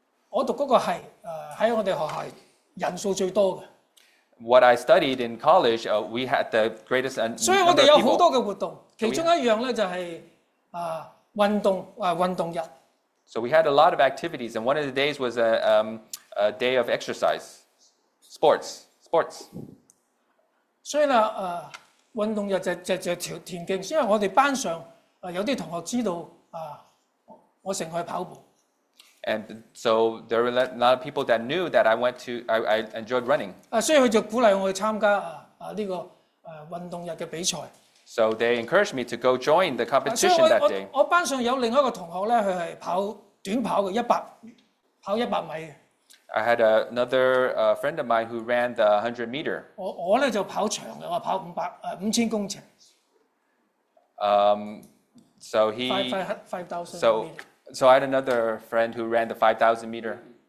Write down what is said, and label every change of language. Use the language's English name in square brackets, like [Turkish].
[Cantonese] 我讀嗰個係喺我哋學校人數最多嘅。 [English] What I studied in college, we had the greatest number of people. [Cantonese] 所以我哋有好多嘅活動，其中一樣咧就係運動日。 [English] So we had a lot of activities, and one of the days was a day of exercise, sports. [Cantonese] 所以呢，運動日就田徑，因為我哋班上有啲同學知道我成日去跑步。 [English] And so there were a lot of people that knew that I enjoyed running. [Cantonese] 所以佢就鼓勵我去參加呢個運動日嘅比賽。 [English] So they encouraged me to go join the competition that day. [Cantonese] 我班上有另一個同學咧，佢係跑短跑嘅，跑一百米嘅。 [English] I had another friend of mine who ran the 100 meter. [Cantonese] 我咧就跑長嘅，我跑五千公尺。 [English] So he. Five thousand. So I had another friend who ran the 5,000 meter.